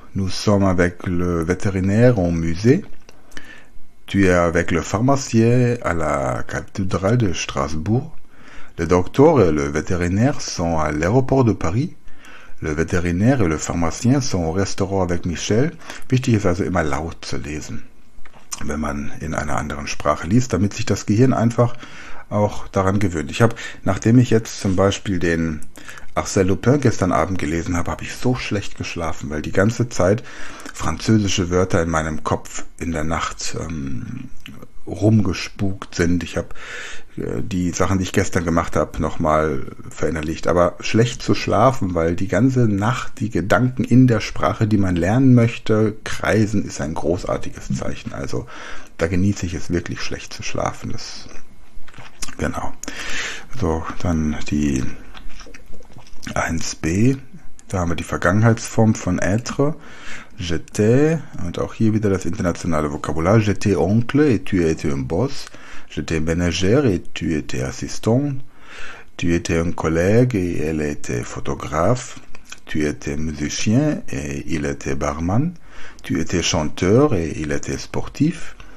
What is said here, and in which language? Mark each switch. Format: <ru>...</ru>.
<fr>Nous sommes avec le vétérinaire au musée. Tu es avec le pharmacien à la cathédrale de Strasbourg. Le docteur et le vétérinaire sont à l'aéroport de Paris. Le vétérinaire et le pharmacien sont au restaurant avec Michel.</fr> <de>Wichtig ist also immer laut zu lesen, wenn man in einer anderen Sprache liest, damit sich das Gehirn einfach auch daran gewöhnt. Ich habe, nachdem ich jetzt zum Beispiel den Arsène Lupin gestern Abend gelesen habe, habe ich so schlecht geschlafen, weil die ganze Zeit französische Wörter in meinem Kopf in der Nacht rumgespukt sind. Ich habe die Sachen, die ich gestern gemacht habe, nochmal verinnerlicht. Aber schlecht zu schlafen, weil die ganze Nacht die Gedanken in der Sprache, die man lernen möchte, kreisen, ist ein großartiges Zeichen. Also da genieße ich es wirklich, schlecht zu schlafen. Das, genau. So, dann die 1b. Da haben wir die Vergangenheitsform von être.</de> <fr>J'étais,</fr> <de>und auch hier wieder das internationale Vokabular.</de> <fr>J'étais oncle et tu étais un boss. J'étais manager et tu étais assistant. Tu étais un collègue et elle était photographe. Tu étais musicien et il était barman. Tu étais chanteur et il était sportif.</fr>